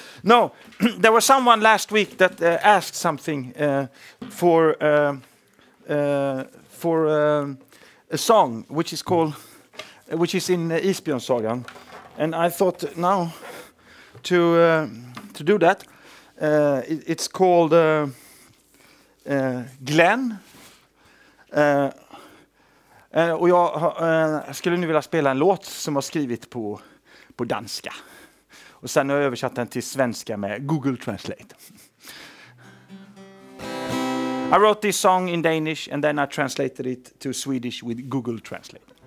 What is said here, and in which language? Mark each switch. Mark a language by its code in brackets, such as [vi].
[en] No, there was someone last week that asked something for a song, which is in Isbjörnsagan. And I thought now to do that, it's called Glenn. [sv] Och jag skulle nu vilja spela en låt som har skrivit på danska. Och sen har jag översatt den till svenska med Google Translate. [en] I wrote this song in Danish and then I translated it to Swedish with Google Translate.